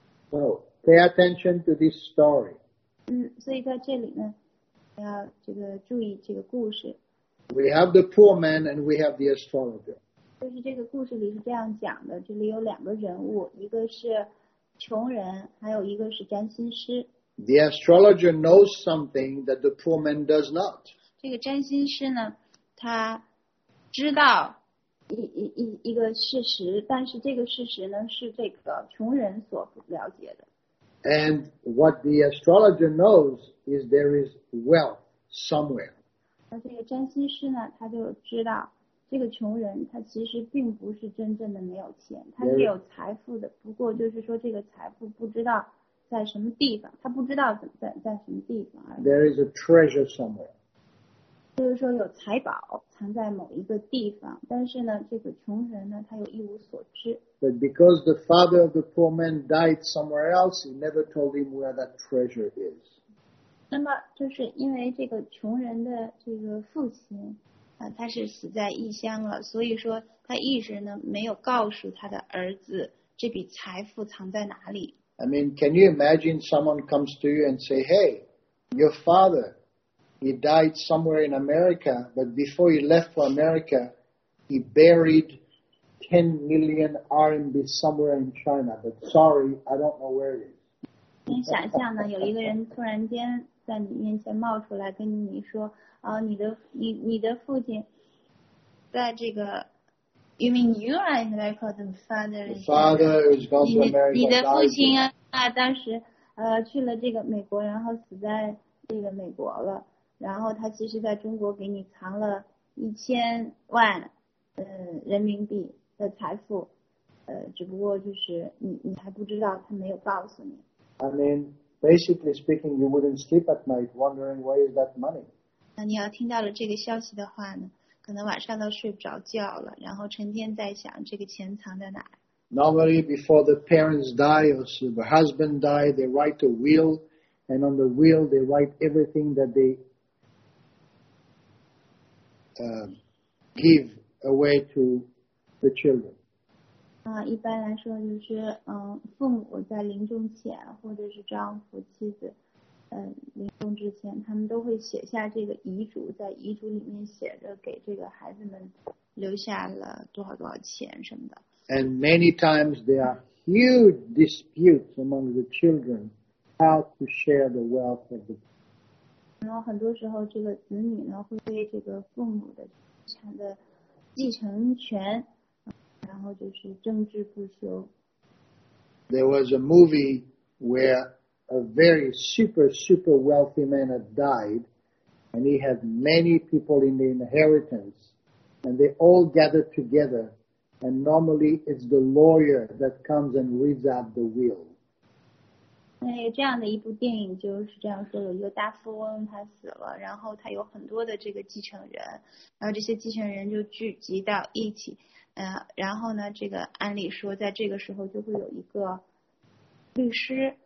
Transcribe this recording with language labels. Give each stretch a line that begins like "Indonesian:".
English: So, pay attention to this story.
Chinese: 所以在这里呢，要这个注意这个故事。
English: We have the poor man and we have the astrologer.
Chinese: 就是这个故事里是这样讲的，这里有两个人物，一个是穷人，还有一个是占星师。
English: The astrologer knows something that the poor man does not.
Chinese: 这个占星师呢，他知道一个事实，但是这个事实呢，是这个穷人所不了解的。
English: And what the astrologer knows is there is wealth somewhere.
Chinese: 那这个占星师呢，他就知道这个穷人他其实并不是真正的没有钱，他是有财富的，不过就是说这个财富不知道在什么地方，他不知道在什么地方。
English: There is a treasure somewhere.
Chinese: 就是说有财宝藏在某一个地方，但是呢这个穷人呢他又一无所知。
English: But because the father of the poor man died somewhere else, he never told him where that treasure is.
Chinese: 那么就是因为这个穷人的这个父亲他是死在异乡了，所以说他一直呢没有告诉他的儿子这笔财富藏在哪里。
English: I mean, can you imagine someone comes to you and say, hey, your father, he died somewhere in America, but before he left for America, he buried 10 million RMB somewhere in China, but sorry, I don't know where it is.
Chinese: 你想象呢，有一个人突然间在你面前冒出来跟你说，哦，你的父亲在这个
English: You mean you are in America, the father is father who's gone to America.
Chinese: 你的父亲啊，当时去了这个美国，然后死在这个美国了。然后他其实在中国给你藏了1000万人民币的财富，只不过就是你还不知道，他没有告诉你。
English: I mean, basically speaking, you wouldn't sleep at night wondering where is that money.
Chinese: 那你要听到了这个消息的话呢？可能晚上都睡不着觉了，然后成天在想这个钱藏在哪。
English: Normally before the parents die or the husband die, they write a will, and on the will they write everything that they give away to the children.
Chinese: 一般来说就是父母在临终前或者是丈夫妻子临终之前，他们都会写下这个遗嘱，在遗嘱里面写着给这个孩子们留下了多少多少钱什么的。
English: And many times there are huge disputes among the children how to share the wealth of the.
Chinese: 然后很多时候，这个子女呢会对这个父母的遗产的继承权，然后就是争执不休。
English: There was a movie where. A very super, super wealthy man had died, and he had many people in the inheritance, and they all gathered together, and normally it's the lawyer that comes and reads out the will.
Chinese: 有这样的一部电影就是这样说的，有一个大富翁他死了，然后他有很多的这个继承人，然后这些继承人就聚集到一起，然后呢，这个按理说在这个时候就会有一个律师。